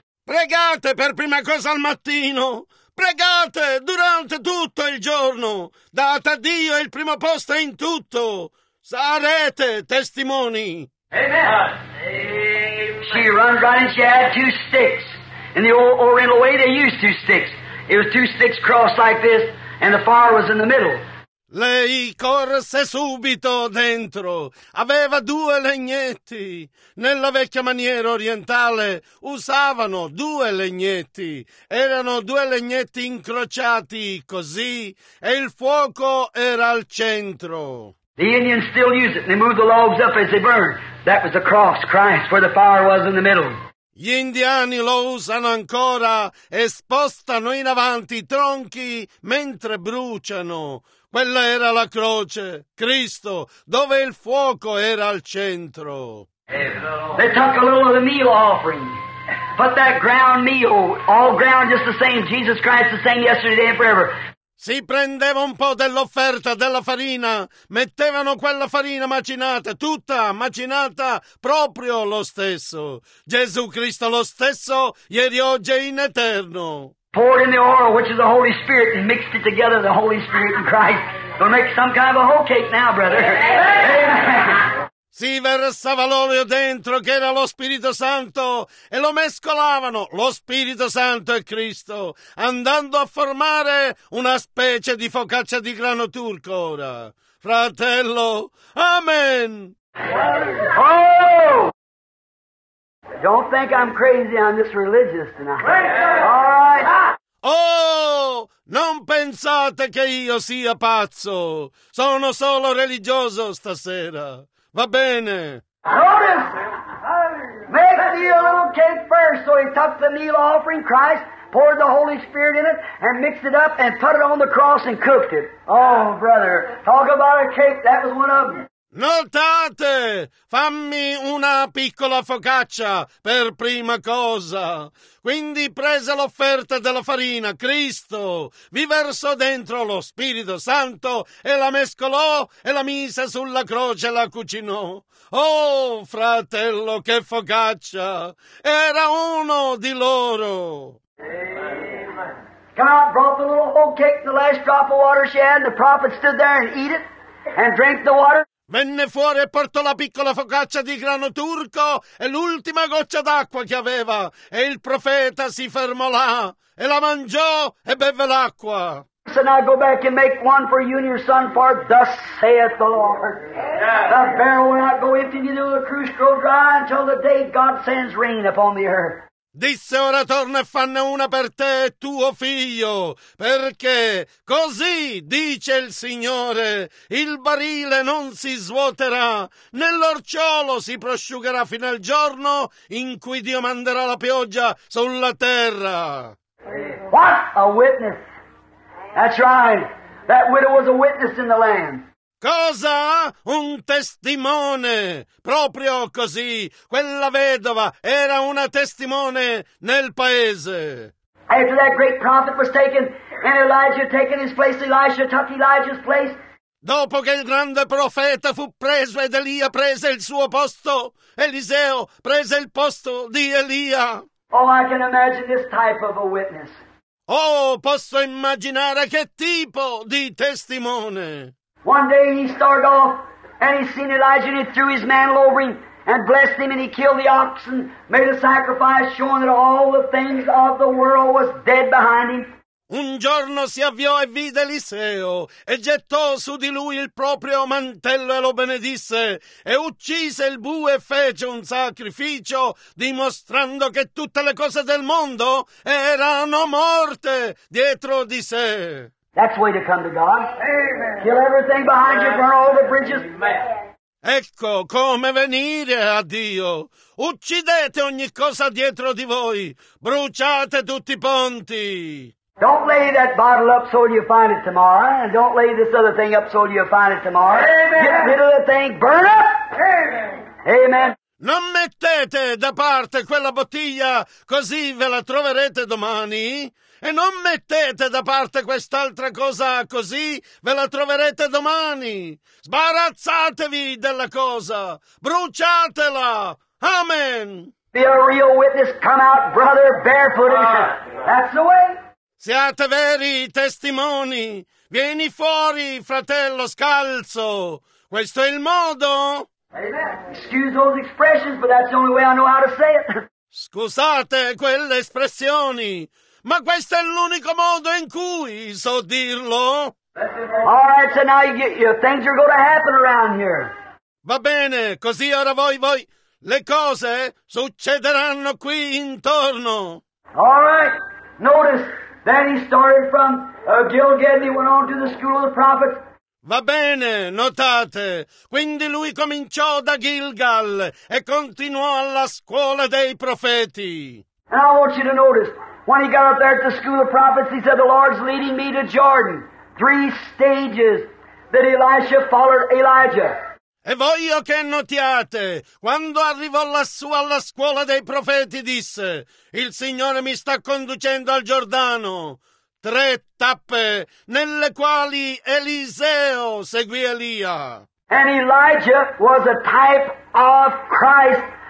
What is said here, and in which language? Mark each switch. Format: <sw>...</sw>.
<it>Pregate per prima cosa al mattino. Pregate durante tutto il giorno. Date a Dio il primo posto in tutto. Sarete testimoni. Amen.</it> <en>She runs right and she had two sticks. In the old Oriental way they used two sticks. It was two sticks crossed like this and the fire was in the middle.</en> <it>Lei corse subito dentro. Aveva due legnetti. Nella vecchia maniera orientale usavano due legnetti. Erano due legnetti incrociati così e il fuoco era al centro.</it> <en>The Indians still use it. They move the logs up as they burn. That was the cross, Christ, where the fire was in the middle.</en> <it>Gli indiani lo usano ancora e spostano in avanti i tronchi mentre bruciano. Quella era la croce, Cristo, dove il fuoco era al centro.</it> <en>They took a little of the meal offering. Put that ground meal, all ground just the same, Jesus Christ the same yesterday, today and forever.</en> <it>Si prendeva un po' dell'offerta della farina, mettevano quella farina macinata, tutta macinata, proprio lo stesso. Gesù Cristo lo stesso, ieri, oggi e in eterno.</it> <en>Poured in the oil, which is the Holy Spirit, and mixed it together, the Holy Spirit and Christ. Gonna make some kind of a whole cake now, brother. Amen.</en> <it>Si versava l'olio dentro che era lo Spirito Santo e lo mescolavano, lo Spirito Santo e Cristo, andando a formare una specie di focaccia di grano turco ora. Fratello, amen! Oh!</it> <en>Don't think I'm crazy, I'm just religious tonight. All right.</en> <it>Oh, non pensate che io sia pazzo. Sono solo religioso stasera. Va bene.</it> <en>Notice, make the little cake first. So he took the meal offering, Christ, poured the Holy Spirit in it, and mixed it up, and put it on the cross and cooked it. Oh, brother, talk about a cake. That was one of them.</en> <it>Notate, fammi una piccola focaccia per prima cosa. Quindi prese l'offerta della farina, Cristo, vi versò dentro lo Spirito Santo e la mescolò e la mise sulla croce e la cucinò. Oh, fratello, che focaccia! Era uno di loro!</it> <en>Come out, brought the little whole cake, the last drop of water she had, and the prophet stood there and eat it and drank the water.</en> <it>Venne fuori e portò la piccola focaccia di grano turco e l'ultima goccia d'acqua che aveva. E il profeta si fermò là e la mangiò e beve l'acqua.</it> <en>So now go back and make one for you and your son, for thus saith the Lord. The barrel will not go empty, neither will the cruse grow dry until the day God sends rain upon the earth.</en> <it>Disse ora torna e fanne una per te e tuo figlio, perché così dice il Signore, il barile non si svuoterà, né l'orciolo si prosciugherà fino al giorno in cui Dio manderà la pioggia sulla terra.</it> <en>What a witness! That's right, that widow was a witness in the land.</en> <it>Cosa? Un testimone. Proprio così. Quella vedova era una testimone nel paese.</it> <en>After that great prophet was taken, and Elijah taken his place, Elisha took Elijah's place.</en> <it>Dopo che il grande profeta fu preso ed Elia prese il suo posto, Eliseo prese il posto di Elia.</it> <en>Oh, I can imagine this type of a witness.</en> <it>Oh, posso immaginare che tipo di testimone.</it> <en>One day he started off and he seen Elijah and he threw his mantle over him and blessed him, and he killed the oxen, made a sacrifice, showing that all the things of the world was dead behind him.</en> <it>Un giorno si avviò e vide Eliseo e gettò su di lui il proprio mantello e lo benedisse e uccise il bue e fece un sacrificio dimostrando che tutte le cose del mondo erano morte dietro di sé.</it> <en>That's the way to come to God. Amen. Kill everything behind you, burn all the bridges. Amen.</en> <it>Ecco come venire a Dio. Uccidete ogni cosa dietro di voi. Bruciate tutti i ponti.</it> <en>Don't lay that bottle up so you find it tomorrow, and don't lay this other thing up so you find it tomorrow. Amen. Get rid of the thing, burn up. Amen. Amen.</en> <it>Non mettete da parte quella bottiglia, così ve la troverete domani. E non mettete da parte quest'altra cosa, così ve la troverete domani. Sbarazzatevi della cosa. Bruciatela. Amen.</it> <en>Be a real witness. Come out, brother, barefooted. That's the way.</en> <it>Siate veri testimoni. Vieni fuori, fratello scalzo. Questo è il modo. Amen.</it> <en>Excuse those expressions, but that's the only way I know how to say it.</en> <it>Scusate quelle espressioni, ma questo è l'unico modo in cui so dirlo.</it> <en>All right, so now you get your things are going to happen around here.</en> <it>Va bene, così ora voi le cose succederanno qui intorno.</it> <en>All right. Notice that he started from Gilgal, he went on to the school of the prophets.</en> <it>Va bene, notate. Quindi lui cominciò da Gilgal e continuò alla scuola dei profeti.</it> <en>And I want you to notice, when he got up there at the school of prophets, he said, the Lord's leading me to Jordan. Three stages that Elisha followed Elijah.</en> <it>E voglio che notiate, quando arrivò lassù alla scuola dei profeti, disse, il Signore mi sta conducendo al Giordano. Tre tappe nelle quali Eliseo seguì Elia.</it> <en>And Elijah was a type of Christ.</en>